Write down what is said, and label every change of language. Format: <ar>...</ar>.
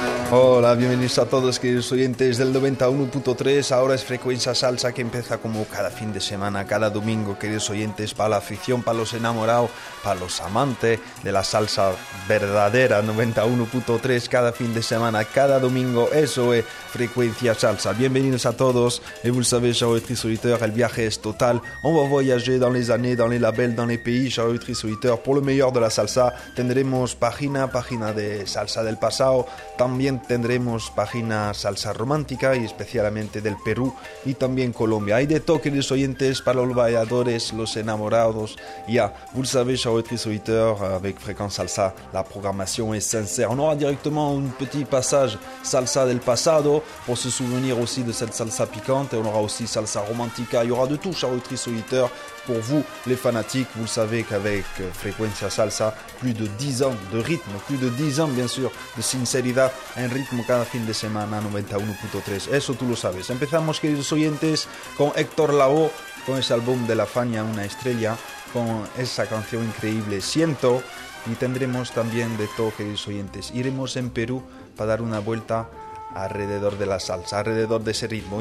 <es>Hola, bienvenidos a todos, queridos oyentes del 91.3. Ahora es Frecuencia Salsa, que empieza como cada fin de semana, cada domingo, queridos oyentes, para la afición, para los enamorados, para los amantes de la salsa verdadera. 91.3, cada fin de semana, cada domingo, eso es Frecuencia Salsa. Bienvenidos a todos.</es> <fr>Et vous le savez, chers auditeurs, solitaire,</fr> <es>el viaje es total.</es> <fr>On va voyager dans les années, dans les labels, dans les pays, chers auditeurs, solitaire,</fr> <es>por lo mejor de la salsa. Tendremos página de salsa del pasado, también tendremos página salsa romántica y especialmente del Perú y también Colombia. Hay de todo, queridos oyentes, para los bailadores, los enamorados.</es> <fr>Ya, vous le savez, chers auditeurs, solitaire, avec Frecuencia Salsa,</fr> <es>la programación es sincera.</es> <fr>On aura directement un petit passage salsa</fr> <es>del pasado,</es> <fr>pour se souvenir aussi de cette salsa piquante, et on aura aussi salsa romantica. Il y aura de tout, chers auditeurs, solitaires. Pour vous, les fanatiques, vous le savez qu'avec Frecuencia Salsa, plus de 10 ans de rythme, plus de 10 ans, bien sûr, de sinceridad, un rythme</fr> <es>cada fin de semana,</es> <fr>91.3.</fr> <es>Eso tú lo sabes. Empezamos, queridos oyentes, con Héctor Lavoe, con ese álbum de La Faña, Una Estrella, con esa canción increíble, Siento. Y tendremos también de todo, queridos oyentes. Iremos en Perú para dar una vuelta alrededor de la salsa, alrededor de ese ritmo.</es>